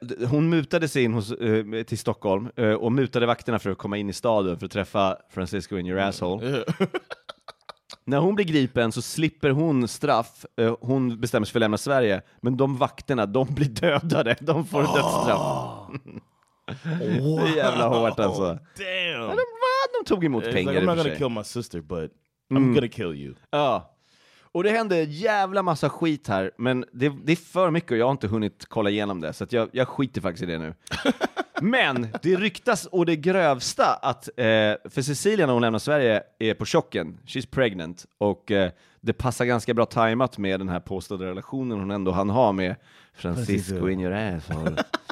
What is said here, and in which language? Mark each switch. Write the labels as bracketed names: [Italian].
[Swedish] Hon mutade sig in till Stockholm. Och mutade vakterna för att komma in i staden. För att träffa Francisco in your asshole. När hon blir gripen så slipper hon straff. Hon bestämmer sig för att lämna Sverige. Men de vakterna, de blir dödade. De får dödsstraff. [English] Wow. [Swedish] Det är jävla hårt alltså. [English] Damn. [Swedish] De tog emot pengar. [English] Like, I'm not gonna kill my sister, but I'm gonna kill you. [Swedish] Ja. Och det hände jävla massa skit här. Men det är för mycket och jag har inte hunnit kolla igenom det. Så att jag skiter faktiskt i det nu. Men det ryktas och det grövsta att för Cecilia när hon lämnar Sverige är på chocken. [English] She's pregnant. [Swedish] Och det passar ganska bra tajmat med den här påstådda relationen hon ändå hann ha med Francisco in your asshole.